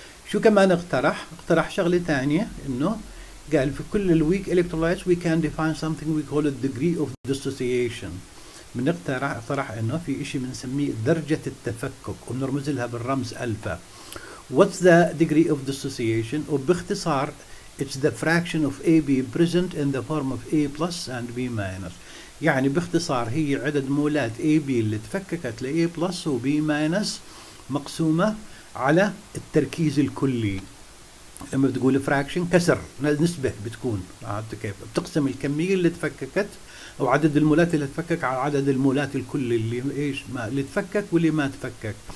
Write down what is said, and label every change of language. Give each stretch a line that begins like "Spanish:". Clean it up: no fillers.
Arabic: شو كمان اقترح شغلة تانية، انه قال في كل الويك الكترولايتس
English: we can define something we call it degree of dissociation.
Arabic: اقترح انه في اشي بنسميه درجة التفكك وبنرمز لها بالرمز الفا.
English: What's the degree of dissociation؟ وباختصار it's the fraction of AB present in the form of A plus and B minus.
Arabic: يعني باختصار هي عدد مولات AB اللي تفككت ل A plus و B minus مقسومة على التركيز الكلي. لما بتقول fraction كسر نسبة بتكون، عرفت كيف؟ بتقسم الكمية اللي تفككت او عدد المولات اللي تفكك على عدد المولات الكلي اللي ايش ما اللي تفكك واللي ما تفكك.